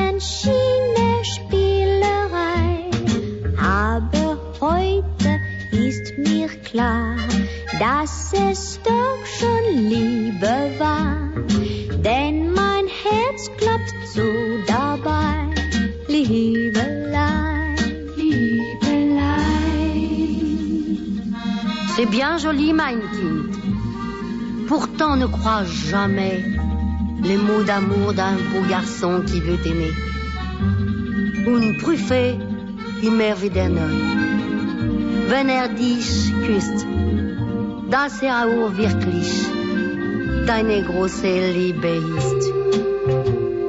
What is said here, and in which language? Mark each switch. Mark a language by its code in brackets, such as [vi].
[de] Schiene Spielerei, aber heute ist mir klar, dass es doch schon Liebe war, denn mein Herz klopft so dabei, Liebelei, Liebelei. [fr] C'est bien joli, [de] mein Kind, [fr] pourtant ne crois jamais les mots d'amour d'un beau garçon qui veut t'aimer. [de] Un prüfe immer wieder neu, wenn dich küsst, dass auch wirklich deine große Liebe ist.